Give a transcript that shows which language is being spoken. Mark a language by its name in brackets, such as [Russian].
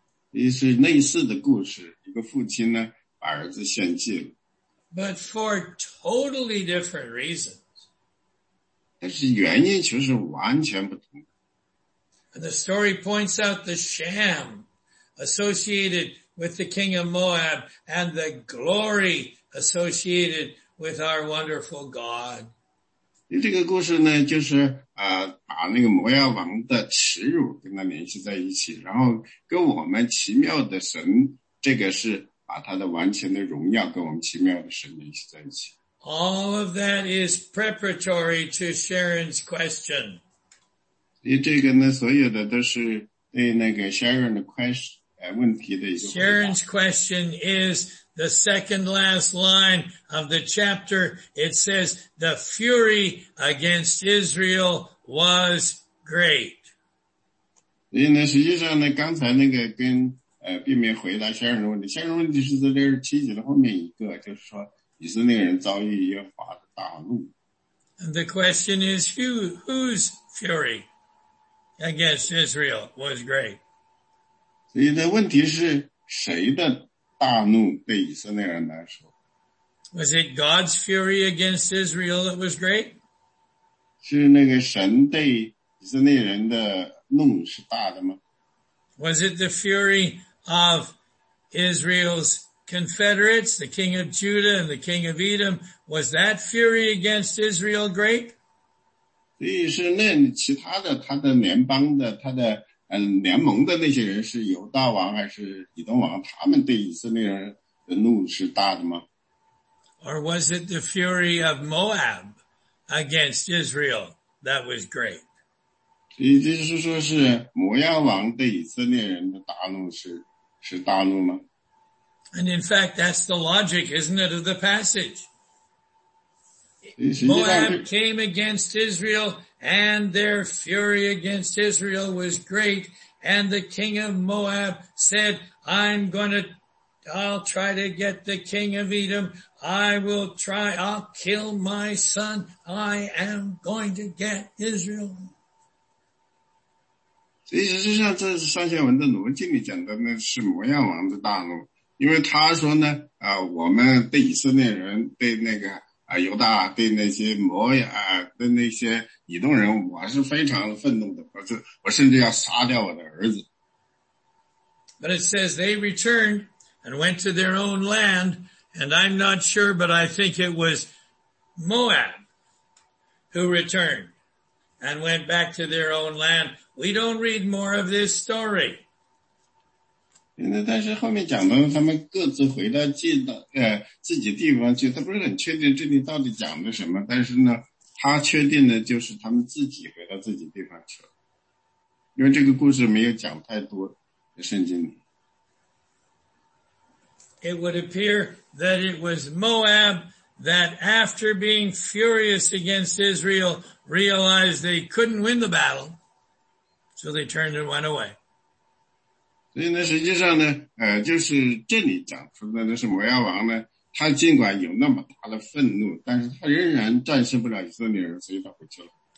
[Chinese] 也是类似的故事，一个父亲呢，把儿子献祭了。 [English] But for totally different reasons. [Chinese] 但是原因其实完全不同。 [English] And the story points out the sham associated with the king of Moab and the glory associated with our wonderful God. [Chinese] 这个故事呢，就是把那个摩押王的耻辱跟他联系在一起，然后跟我们奇妙的神，这个是把他的完全的荣耀跟我们奇妙的神联系在一起。 [English] All of that is preparatory to Sharon's question. [Chinese] 因为这个呢，所有的都是对那个 Sharon 的 question 问题的一个。 [English] Sharon's question is. The second last line of the chapter, it says, the fury against Israel was great. [Chinese] 因为呢，实际上呢，刚才那个跟并没回答先生的问题。先生问题是在六十七节的后面一个，就是说以色列人遭遇耶和华的大怒。 [English] And the question is, whose fury against Israel was great? [Chinese] 所以的问题是谁的？大怒对以色列人来说。 [English] Was it God's fury against Israel that was great? [Chinese] 是那个神对以色列人的怒是大的吗？ [English] Was it the fury of Israel's confederates, the king of Judah and the king of Edom? Was that fury against Israel great? [Chinese] 所以是那其他的他的联邦的他的联盟的那些人是犹大王还是以东王？他们对以色列人的怒是大的吗 [English] ？Or was it the fury of Moab against Israel that was great？ [Chinese] 也就是说，是摩押王对以色列人的大怒是大怒吗 [English] ？And in fact, that's the logic, isn't it, of the passage? [Chinese] 实际上是 [English] Moab came against Israel. And their fury against Israel was great. And the king of Moab said, I'll try to get the king of Edom. I'll kill my son. I am going to get Israel. [Chinese] 所以就像这上下文的逻辑里讲的，那是摩押王的大怒，因为他说呢，我们对以色列人，对那个犹大，对那些摩押，对那些以东人，我是非常愤怒的，我甚至要杀掉我的儿子。 [English] But it says they returned and went to their own land, and I'm not sure, but I think it was Moab who returned and went back to their own land. We don't read more of this story. [Chinese] 但是后面讲到他们各自回到自己地方去，他不是很确定这里到底讲的什么，但是呢，他确定的就是他们自己回到自己地方去了，因为这个故事没有讲太多在圣经里。 [English] It would appear that it was Moab that after being furious against Israel realized they couldn't win the battle, so they turned and went away. [Chinese] 所以呢，实际上呢，就是这里讲出的呢，是摩押王呢，他尽管有那么大的愤怒，但是他仍然战胜不了以色列人，所以他回去了。